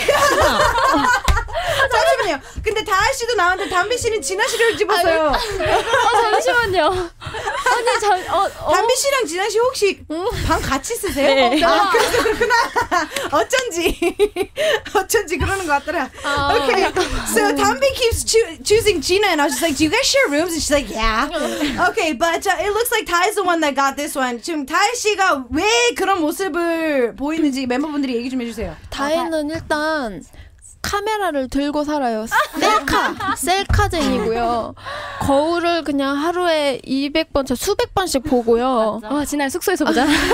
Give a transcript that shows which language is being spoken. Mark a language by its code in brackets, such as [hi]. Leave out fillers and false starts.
[ko] 잠시만요. 근데 다하 씨도 나왔는데 담비 씨는 진아 씨를 집었어요. 잠시만요. 아니 잠 담비 씨랑 진아 씨 혹시 방 같이 쓰세요? 네. 아, 그래서 그렇구나. 어쩐지 어쩐지 그러는 것 같더라. 아, okay. [en] 약간. So Danbi keeps choosing Gina, and I was just like, "Do you guys share rooms?" And she's like, "Yeah." Okay, but it looks like Tai is the one that got this one. [ko] 지금 다하 씨가 왜 그런 모습을 보이는지 멤버분들이 얘기 좀 해주세요. 다혜는 일단. 카메라를 들고 살아요. 셀카! 셀카쟁이고요. 거울을 그냥 하루에 200번, 저 수백 번씩 보고요. 맞아. 아, 지난 숙소에서 보자.